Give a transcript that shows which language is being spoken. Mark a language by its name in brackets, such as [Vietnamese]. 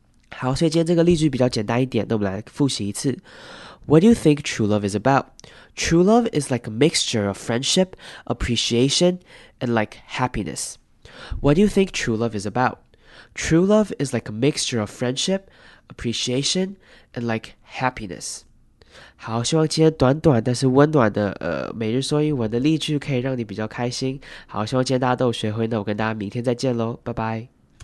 [Chinese] 好，所以今天这个例句比较简单一点，那我们来复习一次。 [English] What do you think true love is about? True love is like a mixture of friendship, appreciation, and like happiness. What do you think true love is about? True love is like a mixture of friendship, appreciation, and like happiness. [Chinese] 好，希望今天短短但是温暖的每日说英文的例句可以让你比较开心。好，希望今天大家都有学会，那我跟大家明天再见咯，拜拜。